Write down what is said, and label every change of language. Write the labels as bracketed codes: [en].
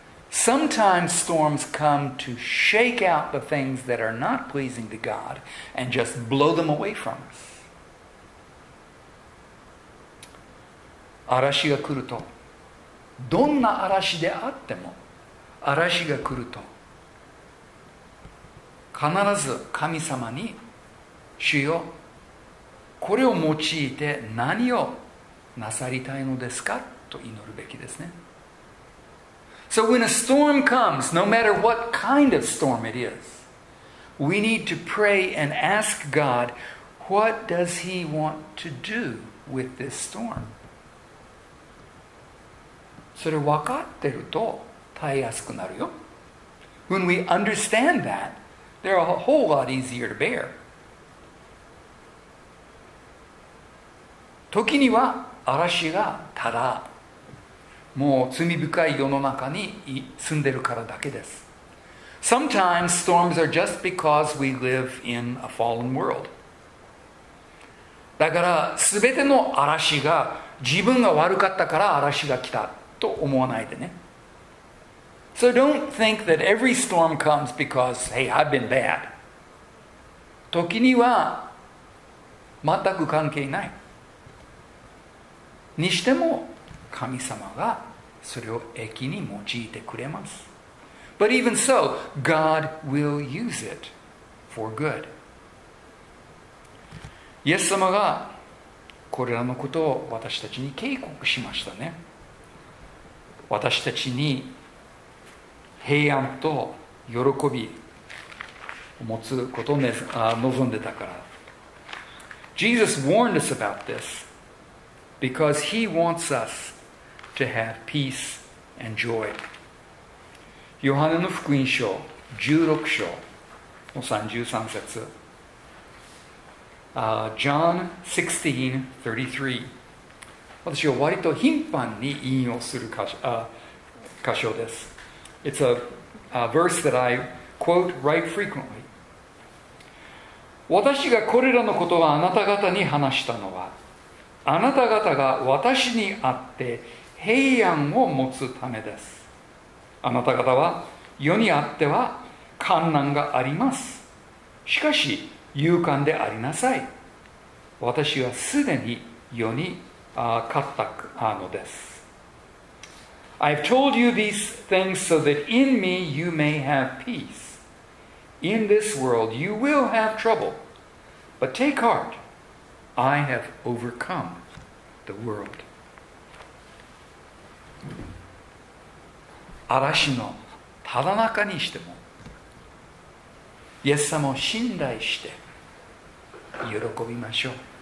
[en] Sometimes storms come to shake out the things that are not pleasing to God and just blow them away from us. [ja] 嵐が来ると、どんな嵐であっても、嵐が来ると、必ず神様に主よ、これを用いて何をなさりたいのですかと祈るべきですね。 [en] So when a storm comes, no matter what kind of storm it is, we need to pray and ask God, what does He want to do with this storm? [ja] それ分かってると耐えやすくなるよ。 [en] When we understand that, they're a whole lot easier to bear. [ja] 時には嵐がただもう罪深い世の中に住んでるからだけです。 [en] Sometimes storms are just because we live in a fallen world. [ja] だから全ての嵐が自分が悪かったから嵐が来たと思わないでね。 [en] So don't think that every storm comes because, hey, I've been bad. [ja] 時には全く関係ない。にしても神様がそれを益に用いてくれます。 [en] But even so, God will use it for good. [ja] イエス様がこれらのことを私たちに警告しましたね。私たちに平安と喜びを持つことを望んでたから。 [en] Jesus warned us about this because he wants us to have peace and joy. [ja] ヨハネの福音書16章の33節。 [en] John 16:33。 [ja] 私は割と頻繁に引用する箇所です。 [en] It's a verse that I quote right frequently. [ja] 私がこれらのことをあなた方に話したのは、あなた方が私にあって平安を持つためです。あなた方は世にあっては患難があります。しかし勇敢でありなさい。私はすでに世に勝ったのです。 [en] I've told you these things so that in me you may have peace. In this world you will have trouble. But take heart, I have overcome the world. [ja] 嵐のただ中にしても、イエス様を信頼して喜びましょう。